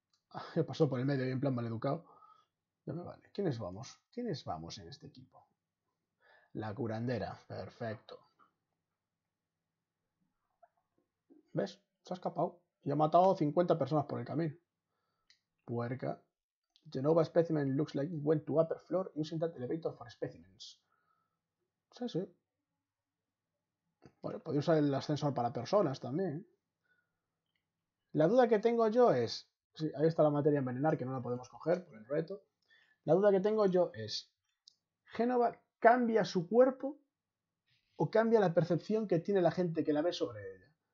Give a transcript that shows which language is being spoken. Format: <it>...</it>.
<es>Ah, yo paso por el medio y en plan maleducado. No me vale. ¿Quiénes vamos? ¿Quiénes vamos en este equipo? La curandera. Perfecto. ¿Ves? Se ha escapado. Y ha matado 50 personas por el camino. Puerca.</es> <en>Genova specimen looks like it went to upper floor using that elevator for specimens.</en> <es>Sí, sí. Bueno, podría usar el ascensor para personas también. La duda que tengo yo es... Sí, ahí está la materia envenenar que no la podemos coger por el reto. La duda que tengo yo es, ¿Génova cambia su cuerpo o cambia la percepción que tiene la gente que la ve sobre ella?</es>